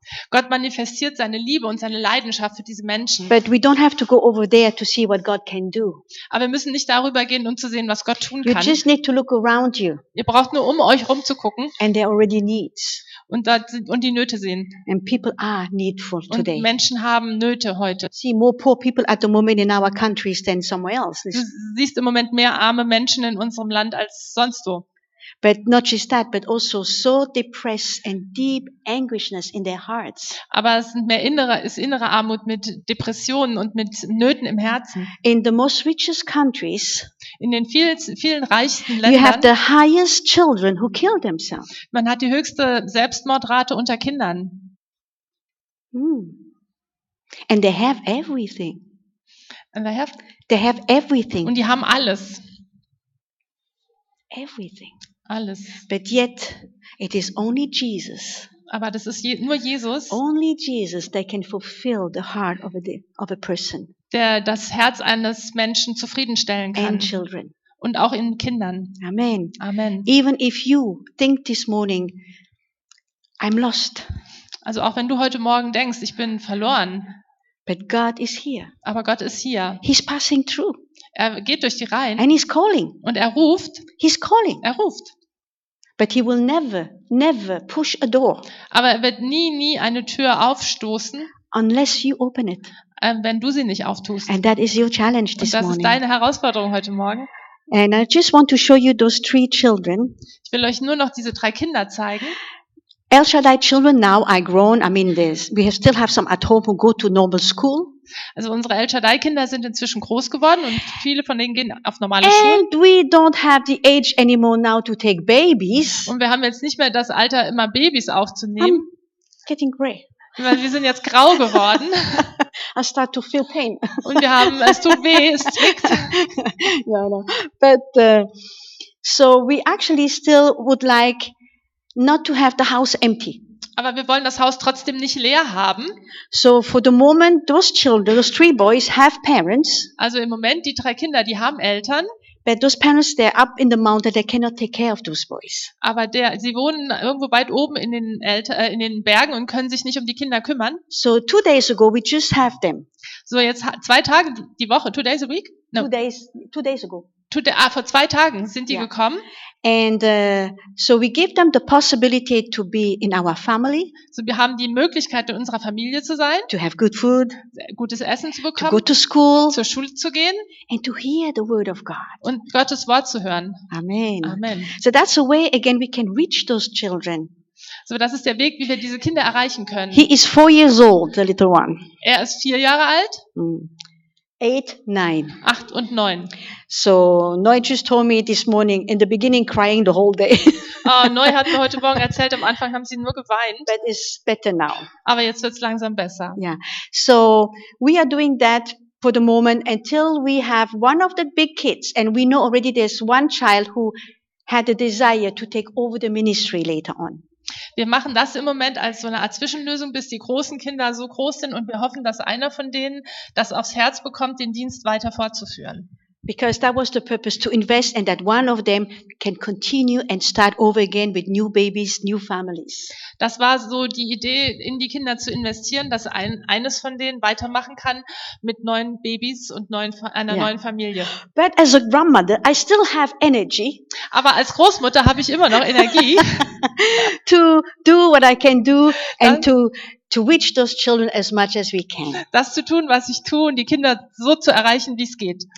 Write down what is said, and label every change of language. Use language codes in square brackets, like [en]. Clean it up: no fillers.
[de] Gott manifestiert seine Liebe und seine Leidenschaft für diese Menschen. [en] But we don't have to go over there to see what God can do. [de] Aber wir müssen nicht darüber gehen, um zu sehen, was Gott tun kann. [en] You just need to look around you. [de] Ihr braucht nur um euch rum zu gucken. [en] And there are already needs. [de] Und da sind, und die Nöte sehen. [en] And people are needful today. [de] Und Menschen haben Nöte heute. [en] See more poor people at the moment in our countries than somewhere else. [de] Du siehst im Moment mehr arme Menschen in unserem Land als sonst wo. [en] But not just that, but also so depressed and deep anguishness in their hearts. [de] Aber es sind mehr innere Armut mit Depressionen und mit Nöten im Herzen. [en] In the most richest countries, [de] in den vielen reichsten Ländern, [en] you have the highest children who kill themselves. [de] Man hat die höchste Selbstmordrate unter Kindern. [en] And they have everything. And they have everything. [de] Und die haben alles. [en] Everything. [de] Alles. [en] But yet, it is only Jesus. [de] Aber das ist nur Jesus. [en] Only Jesus that can fulfill the heart of a person. [de] Der das Herz eines Menschen zufriedenstellen kann. [en] And children. [de] Und auch in Kindern. [en] Amen. [de] Amen. [en] Even if you think this morning, I'm lost. [de] Also auch wenn du heute Morgen denkst, ich bin verloren. [en] But God is here. [de] Aber Gott ist hier. [en] He's passing through. [de] Er geht durch die Reihen. [en] And he's calling. [de] Und er ruft. [en] He's calling. [de] Er ruft. [en] But he will never push a door. [de] Aber er wird nie eine Tür aufstoßen. [en] Unless you open it. [de] Wenn du sie nicht auftust. [en] And that is your challenge this morning. [de] Und das ist deine Herausforderung heute Morgen. [en] And I just want to show you those three children. [de] Ich will euch nur noch diese drei Kinder zeigen. [en] El Shaddai children now are grown. I mean, this. We still have some at home who go to normal school. [de] Also unsere El Shaddai Kinder sind inzwischen groß geworden und viele von denen gehen auf normale Schulen. [en] And we don't have the age anymore now to take babies. [de] Und wir haben jetzt nicht mehr das Alter, immer Babys aufzunehmen. [en] I'm getting gray. [de] Weil wir sind jetzt grau geworden. [en] I start to feel pain. [de] Und wir haben, es tut weh, es zwickt. [en] No. But so we actually still would like not to have the house empty. [de] Aber wir wollen das Haus trotzdem nicht leer haben. [en] So for the moment those children, those three boys have parents. [de] Also im Moment die drei Kinder, die haben Eltern. [en] But those parents they're up in the mountain, they cannot take care of those boys. [de] Aber sie wohnen irgendwo weit oben in den in den Bergen und können sich nicht um die Kinder kümmern. [en] So 2 days ago we just have them. [de] So jetzt 2 Tage die Woche, [en] 2 days a week? No. Two days ago. [de] Vor 2 Tagen sind die gekommen. [en] And so we give them the possibility to be in our family. [de] So wir haben die Möglichkeit in unserer Familie zu sein. [en] To have good food. [de] Gutes Essen zu bekommen. [en] To go to school. [de] Zur Schule zu gehen. [en] And to hear the word of God. [de] Und Gottes Wort zu hören. [en] Amen. [de] Amen. [en] So that's a way again we can reach those children. [de] So das ist der Weg, wie wir diese Kinder erreichen können. [en] He is 4 years old, the little one. [de] Er ist 4 Jahre alt. [en] Mm. 8, 9. So, Noi just told me this morning, in the beginning crying the whole day. [de] Noi hat mir heute Morgen erzählt, am Anfang haben sie nur geweint. [en] But it's better now. [de] Aber jetzt wird's langsam besser. [en] Yeah. So, we are doing that for the moment until we have one of the big kids and we know already there's one child who had a desire to take over the ministry later on. [de] Wir machen das im Moment als so eine Art Zwischenlösung, bis die großen Kinder so groß sind und wir hoffen, dass einer von denen das aufs Herz bekommt, den Dienst weiter fortzuführen. [en] Because that was the purpose to invest and that one of them can continue and start over again with new babies, new families. [de] Das war so die Idee, in die Kinder zu investieren, dass eines von denen weitermachen kann mit neuen Babys und neuen Familie. [en] But as a grandmother, I still have energy. [de] Aber als Großmutter habe ich immer noch Energie. [en] To do what I can do and to reach those children as much as we can. [de] Das zu tun, was ich tue, und die Kinder so zu erreichen, wie es geht.